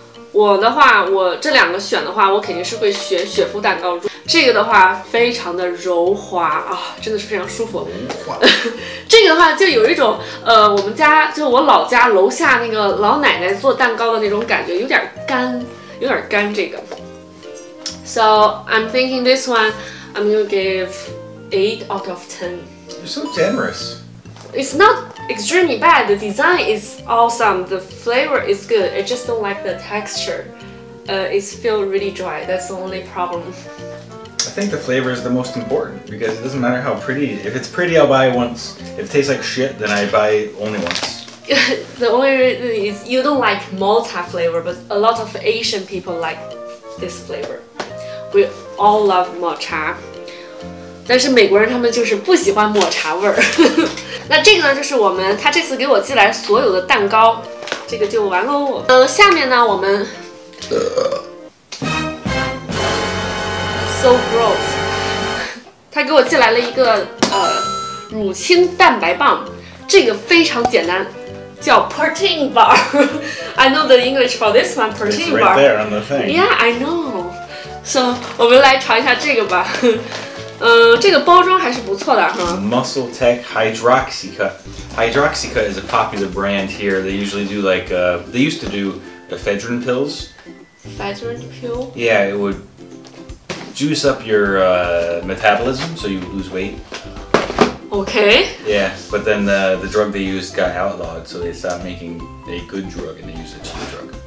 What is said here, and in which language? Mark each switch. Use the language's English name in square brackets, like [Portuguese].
[Chinese] 我的话，我这两个选的话，我肯定是会选雪芙蛋糕。这个的话非常的柔滑啊，真的是非常舒服。这个的话就有一种我们家就我老家楼下那个老奶奶做蛋糕的那种感觉，有点干，有点干这个。 [English] So I'm thinking this one, I'm gonna give 8 out of 10. You're so generous. It's not extremely bad. The design is awesome. The flavor is good. I just don't like the texture. It feels really dry. That's the only problem. I think the flavor is the most important because it doesn't matter how pretty. If it's pretty, I'll buy once. If it tastes like shit, then I buy only once. The only reason is you don't like malta flavor, but a lot of Asian people like this flavor. We all love matcha. [Chinese] 但是美国人他们就是不喜欢抹茶味儿。那这个呢，就是我们他这次给我寄来所有的蛋糕，这个就完喽。下面呢，我们 [English] So gross. [Chinese] 他给我寄来了一个乳清蛋白棒，这个非常简单，叫 protein bar. [English] I know the English for this one, protein bar. It's right there on the thing. Yeah, I know. So, [Chinese] 我们来尝一下这个吧。这个包装还是不错的哈。 [English] Muscle Tech Hydroxyca. Hydroxyca is a popular brand here. They usually do like, they used to do ephedrine pills. Ephedrine pill? Yeah, it would juice up your metabolism so you lose weight. Okay. Yeah, but then the drug they used got outlawed, so they stopped making a good drug and they used a cheap drug.